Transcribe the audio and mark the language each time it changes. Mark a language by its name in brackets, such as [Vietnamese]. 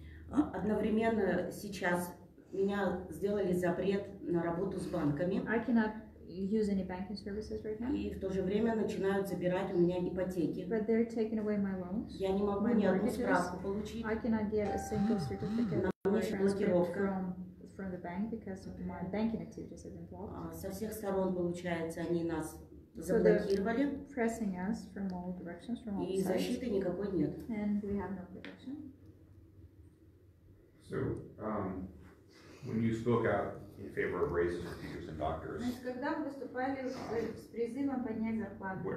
[Russian] Одновременно сейчас меня сделали запрет на работу с банками. [English] Use any banking services right now? [Russian] И в то же время начинают забирать у меня ипотеки. [English] But they're taking away my loans. [Russian] Я не могу ни одну справку получить. [English] I cannot get a single certificate from the bank because my banking activities have been blocked. [Russian] Со всех сторон, получается, они нас заблокировали. [English] So they're pressing us from all directions, from all sides. [Russian] И защиты никакой нет. [English] And we have no protection. So, when you spoke out in favor of raises for teachers and doctors. [Russian] Когда мы выступали с призывом поднять зарплату.